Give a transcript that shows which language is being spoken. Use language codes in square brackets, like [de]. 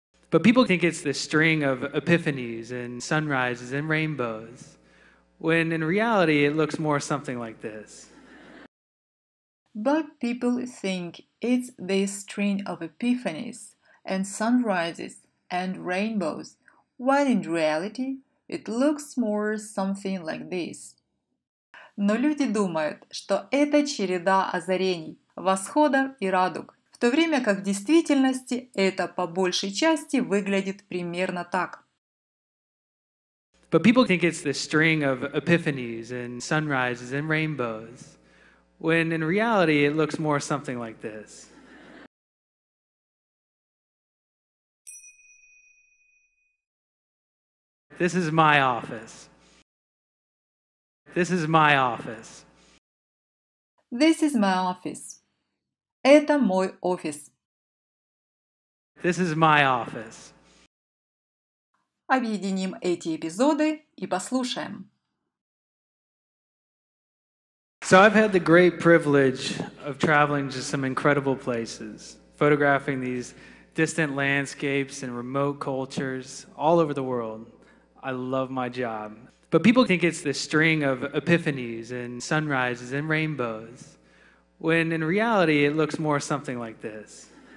[en] But people think it's the string of epiphanies and sunrises and rainbows, when in reality it looks more something like this. But people think it's the string of epiphanies and sunrises and rainbows, when in reality it looks more something like this. [ru] Но люди думают, что это череда озарений, восходов и радуг, в то время как в действительности это по большей части выглядит примерно так. [en] But people think it's the string of epiphanies and sunrises and rainbows, when in reality it looks more something like this. This is my office. This is my office. This is my office. [ru] Это мой офис. [en] This is my office. [ru] Объединим эти эпизоды и послушаем. [en] So I've had the great privilege of traveling to some incredible places, photographing these distant landscapes and remote cultures all over the world. I love my job. But people think it's the string of epiphanies and sunrises and rainbows, when in reality it looks more something like this.